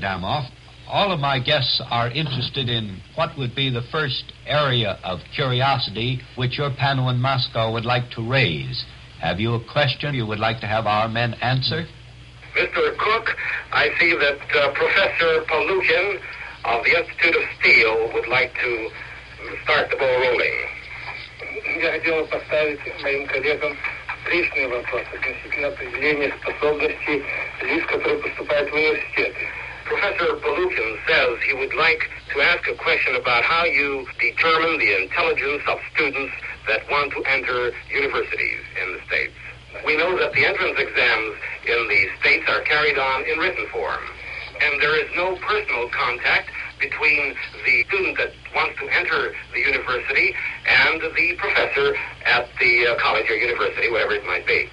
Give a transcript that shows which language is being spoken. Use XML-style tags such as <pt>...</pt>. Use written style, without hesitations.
<en>Adamov, all of my guests are interested in what would be the first area of curiosity which your panel in Moscow would like to raise. Have you a question you would like to have our men answer? Mr. Cook, I see that Professor Polukin of the Institute of Steel would like to start the ball rolling.</en> <ru>Я хотел бы поставить моим коллегам личные вопросы относительно определения способностей лиц, которые поступают в университеты.</ru> <en>Professor Polukin says he would like to ask a question about how you determine the intelligence of students that want to enter universities in the States. We know that the entrance exams in the States are carried on in written form, and there is no personal contact between the student that wants to enter the university and the professor at the college or university, whatever it might be.</en>